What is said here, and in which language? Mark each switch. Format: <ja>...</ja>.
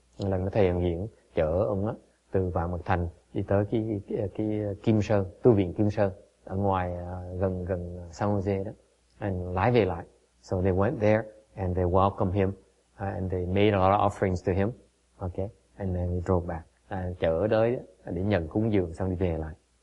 <vi>Lần đó thầy ông Hiển chở ông á từ Vạn Mật Thành đi tới cái Kim Sơn, tu viện Kim Sơn ở ngoài gần San Jose đó. And lái về lại.</vi> <en>So they went there and they welcomed him and they made a lot of offerings to him. Okay. And then they drove back.</en> <vi>Chở tới để nhận cúng dường xong đi về lại.</vi>